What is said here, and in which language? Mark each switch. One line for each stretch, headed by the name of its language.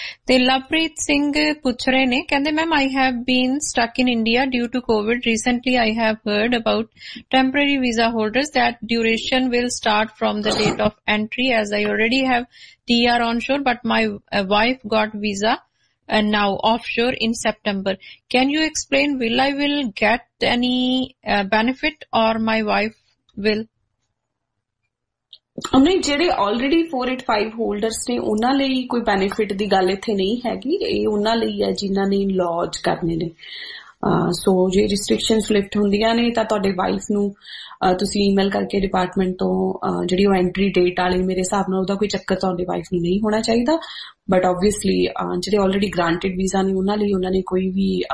Punjabi: ਤੇ ਲਵਪ੍ਰੀਤ ਸਿੰਘ ਪੁੱਛ ਰਹੇ ਨੇ, ਕਹਿੰਦੇ
English: Ma'am I have been stuck in India due to Covid recently, I have heard about temporary visa holders that duration will start from the date of entry as I already have TR onshore but my wife got visa and now offshore in September. Can you explain, will I will get any benefit or my wife will?
Punjabi: ਨਹੀਂ, ਜਿਹੜੇ already 485 holders ਨੇ ਉਹਨਾਂ ਲਈ ਕੋਈ benefit ਦੀ ਗੱਲ ਇੱਥੇ ਨਹੀਂ ਹੈਗੀ, ਇਹ ਉਹਨਾਂ ਲਈ ਹੈ ਜਿਨ੍ਹਾਂ ਨੇ ਲੌਂਚ ਕਰਨੇ ਨੇ। ਸੋ ਜੇ ਰਿਸਟ੍ਰਿਕਸ਼ਨ ਲਿਫਟ ਹੁੰਦੀਆਂ ਨੇ ਤਾਂ ਤੁਹਾਡੇ ਵਾਈਫ ਨੂੰ ਤੁਸੀਂ ਈਮੇਲ ਕਰਕੇ ਡਿਪਾਰਟਮੈਂਟ ਤੋਂ ਜਿਹੜੀ ਉਹ ਐਂਟਰੀ ਡੇਟ ਵਾਲੇ, ਮੇਰੇ ਹਿਸਾਬ ਨਾਲ ਉਹਦਾ ਕੋਈ ਚੱਕਰ ਤੁਹਾਡੇ ਵਾਈਫ ਨੂੰ ਨਹੀਂ ਹੋਣਾ ਚਾਹੀਦਾ। ਬਟ ਓਬਵੀਅਸਲੀ ਜਿਹੜੇ ਆਲਰੇਡੀ ਗ੍ਰਾਂਟਿਡ ਵੀਜ਼ਾ ਨੇ ਉਹਨਾਂ ਲਈ ਉਹਨਾਂ ਨੇ ਕੋਈ ਵੀ